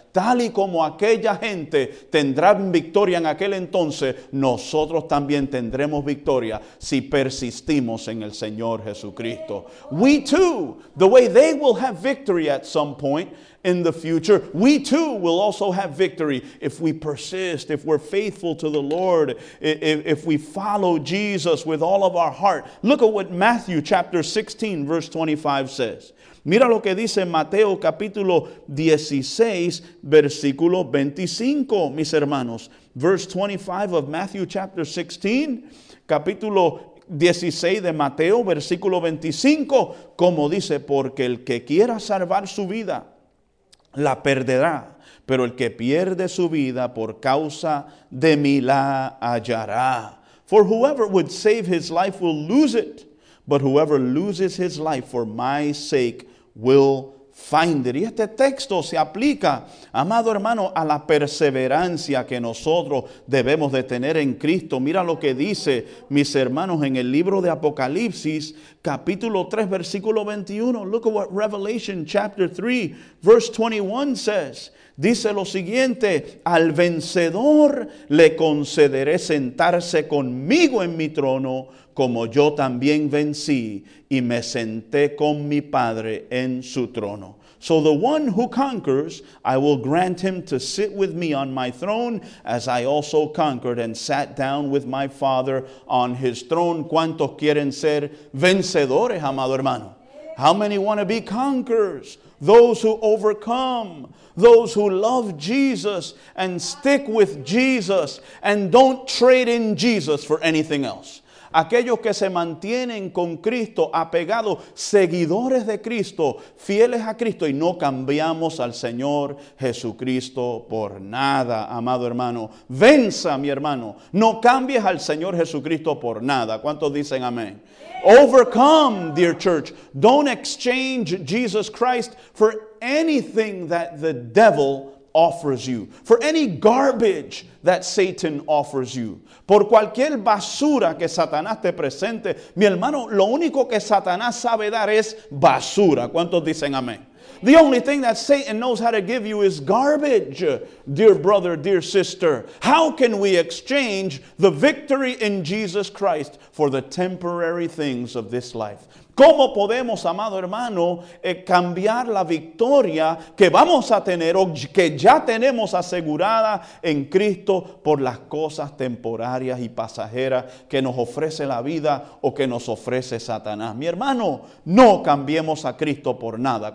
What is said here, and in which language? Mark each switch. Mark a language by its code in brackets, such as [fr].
[es] Tal y como aquella gente tendrá victoria en aquel entonces, nosotros también tendremos victoria si persistimos en el Señor Jesucristo. [en] We too, the way they will have victory at some point, in the future, we too will also have victory if we persist, if we're faithful to the Lord, if we follow Jesus with all of our heart. Look at what Matthew chapter 16, verse 25 says. [es] Mira lo que dice Mateo capítulo 16, versículo 25, mis hermanos. [en] Verse 25 of Matthew chapter 16, [es] capítulo 16 de Mateo, versículo 25. Como dice, porque el que quiera salvar su vida, la perderá, pero el que pierde su vida por causa de mí la hallará. [en] For whoever would save his life will lose it, but whoever loses his life for my sake will find it. [es] Y este texto se aplica, amado hermano, a la perseverancia que nosotros debemos de tener en Cristo. Mira lo que dice, mis hermanos, en el libro de Apocalipsis, capítulo 3, versículo 21. [en] Look at what Revelation chapter 3, verse 21 says. [es] Dice lo siguiente, al vencedor le concederé sentarse conmigo en mi trono, como yo también vencí y me senté con mi Padre en su trono. [en] So the one who conquers, I will grant him to sit with me on my throne, as I also conquered and sat down with my Father on his throne. [es] ¿Cuántos quieren ser vencedores, amado hermano? [en] How many want to be conquerors? Those who overcome, those who love Jesus and stick with Jesus and don't trade in Jesus for anything else. [es] Aquellos que se mantienen con Cristo, apegados, seguidores de Cristo, fieles a Cristo y no cambiamos al Señor Jesucristo por nada, amado hermano. Venza, mi hermano, no cambies al Señor Jesucristo por nada. ¿Cuántos dicen amén? [en] Overcome, dear church. Don't exchange Jesus Christ for anything that the devil offers you, for any garbage that Satan offers you. [es] Por cualquier basura que Satanás te presente, mi hermano, lo único que Satanás sabe dar es basura. ¿Cuántos dicen amén? [en] The only thing that Satan knows how to give you is garbage, dear brother, dear sister. How can we exchange the victory in Jesus Christ for the temporary things of this life? [es] ¿Cómo podemos, amado hermano, cambiar la victoria que vamos a tener o que ya tenemos asegurada en Cristo por las cosas temporarias y pasajeras que nos ofrece la vida o que nos ofrece Satanás? Mi hermano, no cambiemos a Cristo por nada.